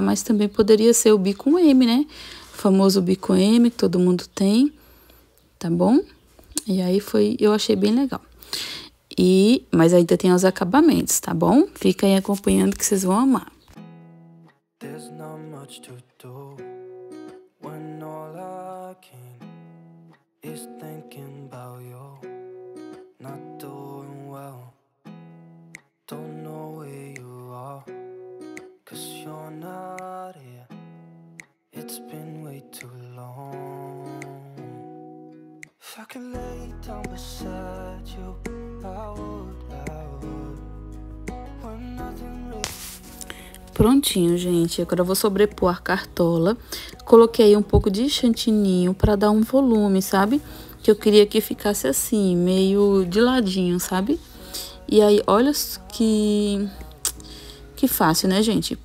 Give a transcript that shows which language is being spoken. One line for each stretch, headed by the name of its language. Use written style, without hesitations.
Portuguese: Mas também poderia ser o bico M, né? O famoso bico M, que todo mundo tem, tá bom? E aí, eu achei bem legal. Mas ainda tem os acabamentos, tá bom? Fica aí acompanhando que vocês vão amar.
English: There's not much to do. When all I can is thinking about you, not doing well. Don't know where you are, 'cause you're not here. It's been way too long. If I could lay down beside you, I would, I would. When nothing really.
Portuguese: Prontinho, gente. Agora eu vou sobrepor a cartola. Coloquei um pouco de chantininho para dar um volume, sabe? Que eu queria que ficasse assim, meio de ladinho, sabe? E aí, olha que fácil, né, gente?